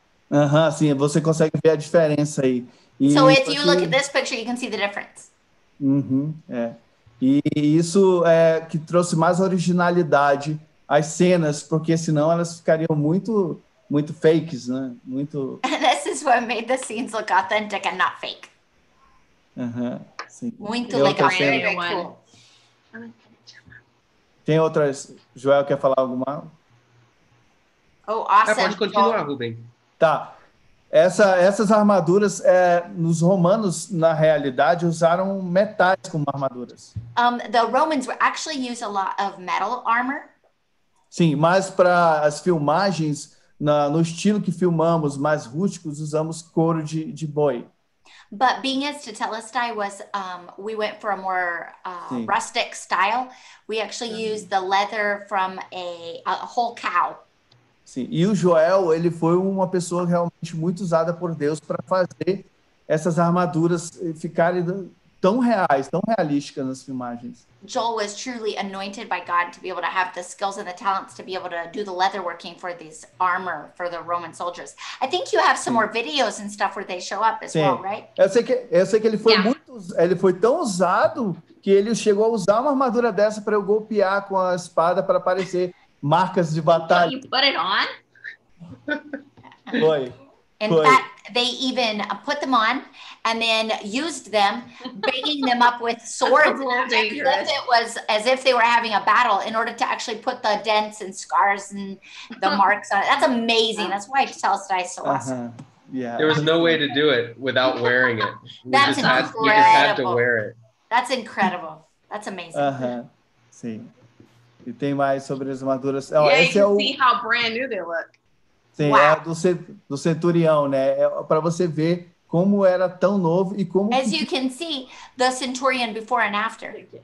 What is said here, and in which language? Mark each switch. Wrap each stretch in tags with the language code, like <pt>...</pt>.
<pt>Aham, uh-huh, sim, você consegue ver a diferença aí.</pt> <en>E so if you look at this picture, you can see the difference.</en> <pt>Uh-huh, é. E isso é que trouxe mais originalidade às cenas, porque senão elas ficariam muito, muito fakes, né? Muito...</pt> <en>This is what made the scenes look authentic and not fake.</en> <pt>Sim. Muito legal.</pt> <en>Like, very, very cool.</en> <pt>Tem outras... Joel, quer falar alguma?</pt> <en>Oh, awesome.</en> <pt>Pode continuar, Rubem. Tá, essas armaduras, nos romanos, na realidade, usaram metais como armaduras.</pt> <en>The Romans were actually use a lot of metal armor.</en> <pt>Sim, mas para as filmagens, no estilo que filmamos, mais rústicos, usamos couro de boi.</pt> <en>But being as Tetelestai was, we went for a more rustic style, we actually used the leather from a whole cow.</en> <pt>Sim. E o Joel, ele foi uma pessoa realmente muito usada por Deus para fazer essas armaduras ficarem tão reais, tão realísticas nas filmagens.</pt> <en>Joel was truly anointed by God to be able to have the skills and the talents to be able to do the leather working for this armor for the Roman soldiers. I think you have some more videos and stuff where they show up as well, right?</en> <pt>Eu sei que ele foi muito, ele foi tão usado que ele chegou a usar uma armadura dessa para eu golpear com a espada para aparecer marcas de batalha.</pt> <en>Can you put it on?</en> <pt>Foi.</pt> <en>In fact, they even put them on and then used them, banging them up with swords. That's a little dangerous. As if it was as if they were having a battle in order to actually put the dents and scars and the marks on it. That's amazing. That's why Tetelestai is so awesome. Yeah. There was no way to do it without wearing it. That's incredible. You just had to wear it. That's incredible. That's amazing.</en> <pt>See. E tem mais sobre as armaduras.</pt> <en>Yeah,</en> <pt>esse</pt> <en>you can see how brand new they look.</en> <pt>Sim, wow. do centurião, né? Para você ver como era tão novo e como...</pt> <en>As you can see, the centurion before and after.</en>